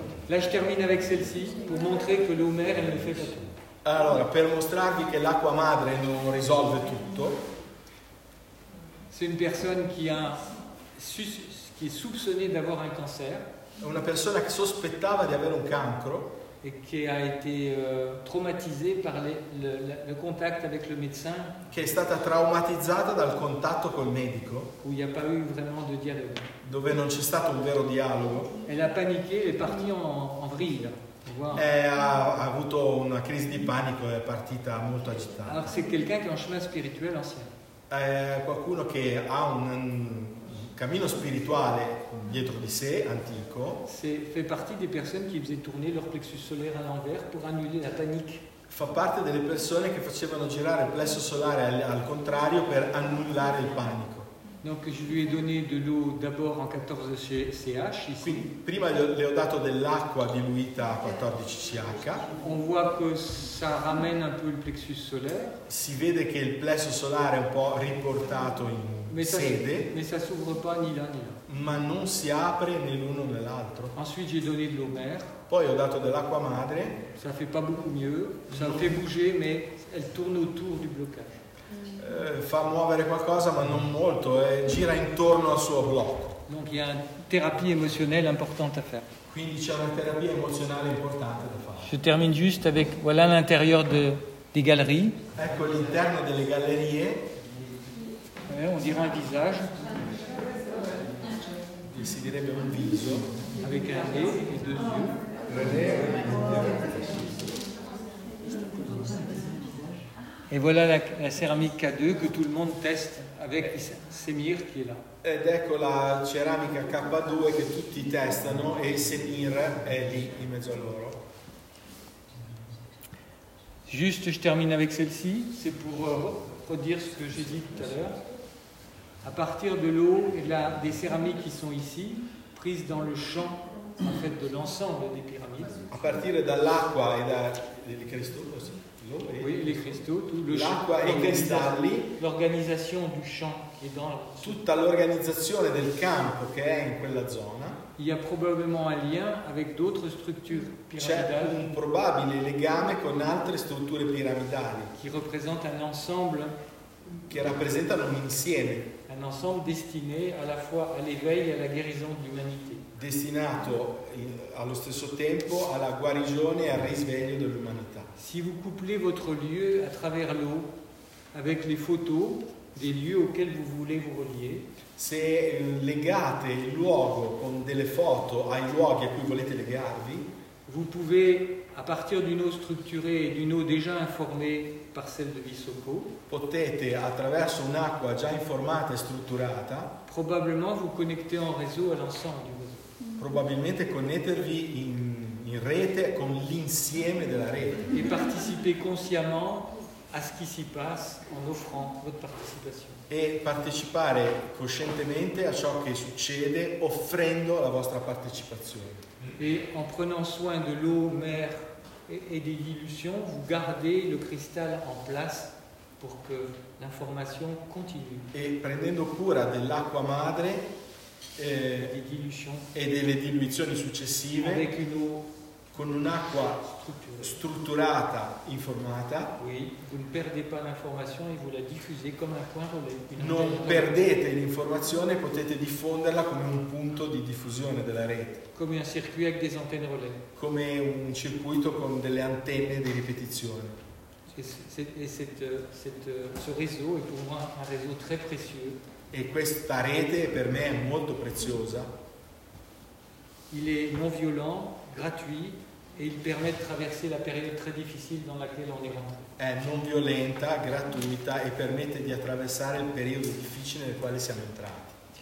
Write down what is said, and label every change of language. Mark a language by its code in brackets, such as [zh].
[fr] Là, je termine avec celle-ci pour montrer que l'eau mère, elle ne fait pas tout. Alors, pour [it] mostrarvi que l'acqua madre non risolve tutto. [fr] C'est une personne qui est soupçonnée d'avoir un cancer. [it] Una persona che sospettava di avere un cancro. [fr] Et qui a été traumatisée par le contact avec le médecin. [it] Che è stata traumatizzata dal contatto col medico. [fr] Où il n'y a pas eu vraiment de dialogue. [it] Dove non c'è stato un vero dialogo. [fr] Elle a paniqué, elle est partie en vrille. [it] Ha avuto una crisi di panico, è partita molto agitata. [fr] Alors c'est quelqu'un qui est en chemin spirituel ancien. [it] È qualcuno che ha un cammino spirituale dietro di sé, antico. [fr] C'est fait partie des personnes qui faisaient tourner leur plexus solaire à l'envers pour annuler la panique. [it] Fa parte delle persone che facevano girare il plesso solare al contrario per annullare il panico. [fr] Donc je lui ai donné de l'eau d'abord en 14 CH ici. [it] Quindi, prima le ho dato dell'acqua diluita a 14 CH. [fr] On voit que ça ramène un peu le plexus solaire. [it] Si vede che il plesso solare è un po' riportato in sede. [fr] Mais ça s'ouvre pas ni là ni là. [it] Ma non si apre né l'uno né l'altro. [fr] Ensuite j'ai donné de l'eau mère. [it] Poi ho dato dell'acqua madre. [fr] Ça fait pas beaucoup mieux. Ça fait bouger mais elle tourne autour du blocage. [it] Fa muovere qualcosa ma non molto, gira intorno al suo blocco. [fr] Donc il y a une thérapie émotionnelle importante à faire. [it] Quindi c'è una terapia emozionale importante da fare. [fr] Je termine juste avec voilà l'intérieur des galeries. [it] Ecco l'interno delle gallerie. [fr] Ouais, on dirait un visage. [it] Il si direbbe un viso. [fr] Avec un nez et deux yeux. Et voilà la céramique K2 que tout le monde teste avec Semir qui est là. [it] Ed ecco la ceramica K2 che tutti testano e Semir è lì in mezzo a loro. [fr] Juste, je termine avec celle-ci, c'est pour redire ce que j'ai dit tout à l'heure. À partir de l'eau et des céramiques qui sont ici, prises dans le champ en fait de l'ensemble des pyramides. À partir de l'acqua et des cristaux aussi. Oui, les cristaux, tout le [it] champ, l'acqua e i cristalli, [fr] l'organizzazione du champ qui est dans [it] tutta l'organizzazione del campo che è in quella zona. [fr] Il y a probablement un lien avec d'autres structures [it] piramidali. C'è un probabile legame con altre strutture piramidali [fr] qui représente un ensemble [it] che rappresentano un insieme, [fr] un ensemble destiné à la fois à l'éveil et à la guérison de l'humanité. [it] Destinato allo stesso tempo alla guarigione e al risveglio dell'umanità. [fr] Si vous couplez votre lieu à travers l'eau avec les photos, dei lieux auxquels vous voulez vous relier. [it] Se legate il luogo con delle foto ai luoghi a cui volete legarvi, [fr] vous pouvez à partir d'une eau structurée et d'une eau déjà informée par celle de Visoko, [it] potete attraverso un'acqua già informata e strutturata, [fr] probablement vous connectez en réseau à l'ensemble du réseau. [it] Probabilmente connettervi in rete con l'insieme della rete [fr] e participer consciemment à ce qui s'y passe en offrant votre participation. [it] E partecipare coscientemente a ciò che succede offrendo la vostra partecipazione. [fr] Et en prenant soin de l'eau mère et des dilutions, vous gardez le cristal en place pour que l'information continue. [it] Et prendendo cura dell'acqua madre e delle diluizioni successive, [fr] avec une eau [it] con un'acqua strutturata, informata, [fr] oui, vous ne perdez pas l'information et vous la diffusez comme un point relais. [it] Non perdete l'informazione, potete diffonderla come un punto di diffusione della rete. Come un circuito [fr] avec des antennes relais. [it] Come un circuito con delle antenne di ripetizione. [fr] Ce réseau est pour moi un réseau très précieux. [it] E questa rete per me è molto preziosa. [fr] Il est non violent, gratuit et il permet de traverser la période très difficile dans laquelle on est rentré. [it] È non violenta, gratuita e permette di attraversare il periodo difficile nel quale siamo entrati.